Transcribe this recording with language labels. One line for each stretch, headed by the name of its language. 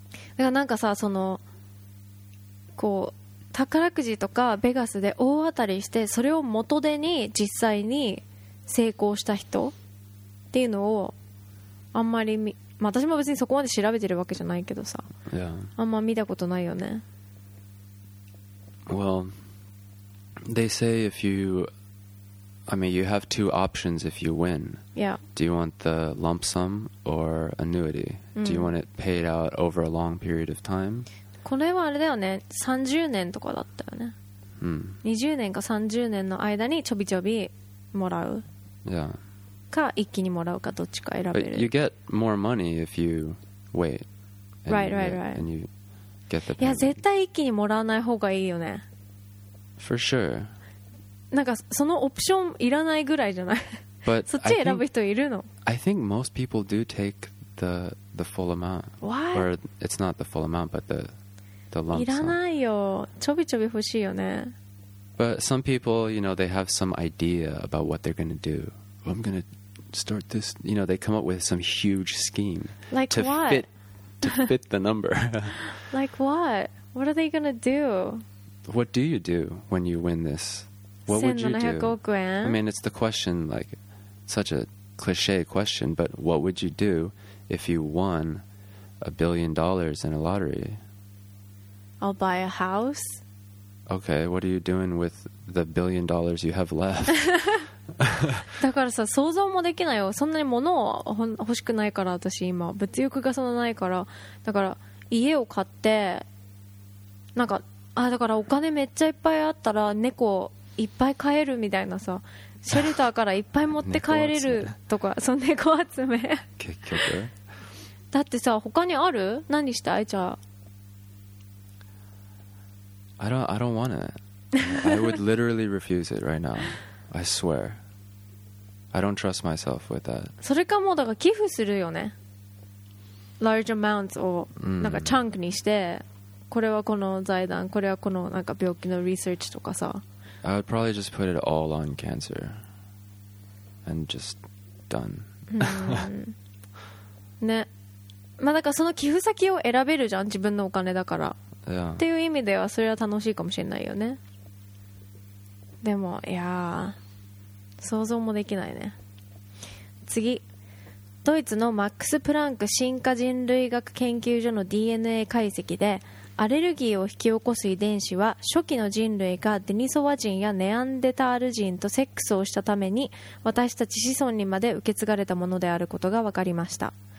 Japanese: だからなんかさ、そのこう宝くじとかベガスで大当たりして、それを元手に実際に成功した人っていうのをあんまり、まあ、私も別にそこまで調べてるわけじゃないけどさ、あんま見たことないよね。
English: Well, they say if you I mean you have two options if you win. Yeah. Do you want the lump sum or annuity? Do you want it paid out over a long period of time?
Japanese: これはあれだよね、30年とかだったよね、20年か30年の間にちょびちょびもらう、か一気にもらうか、どっちか選べる。
English: But you get more money if you wait. Right, right, right. And you get the pay.
Japanese: いや絶対一気にもらわない方がいいよね。
English: For sure.
Japanese: なんかそのオプションいらないぐらいじゃない。
English: But
Japanese: そっち選ぶ人いるの。
English: I think most people do take the full amount. What? Or it's not the full amount, but the lump sum.
Japanese: いらないよ。ちょびちょび欲しいよね。
English: But some people, you know, they have some idea about what they're going to do. I'm going to start this. You know, they come up with some huge scheme. Like what? Fit, to fit the number. Like what? What are they going to do? What do you do when you win this? What would you do? I mean, it's the question, like, such a cliche question, but what would you do if you won $1 billion in a lottery? I'll buy a house. Okay, what are you doing with the $1 billion you have left?
Japanese: だからさ、想像もできないよ。そんなに物を欲しくないから、私今物欲がそんなないから、だから家を買って、なんか、あ、だからお金めっちゃいっぱいあったら猫いっぱい飼えるみたいなさ、シェルターからいっぱい持って帰れるとか、その猫集め。猫集め結局。だってさ、他にある？何したい？じゃあ。
English: I don't want it. I would literally refuse it right now. I swear. I don't trust myself with that.
Japanese: それかもだから寄付するよね。
English: Large amounts
Japanese: をなんかチャンクにして、これはこの財団、これはこのなんか病気のリサーチとかさ。
English: I would probably just put it all on cancer and just done.
Japanese: ね。まあだからその寄付先を選べるじゃん、自分のお金だから。
English: Yeah.
Japanese: っていう意味ではそれは楽しいかもしれないよね。でもいや想像もできないね。次、ドイツのマックス・プランク進化人類学研究所の DNA 解析でアレルギーを引き起こす遺伝子は初期の人類がデニソワ人やネアンデタール人とセックスをしたために私たち子孫にまで受け継がれたものであることが分かりました。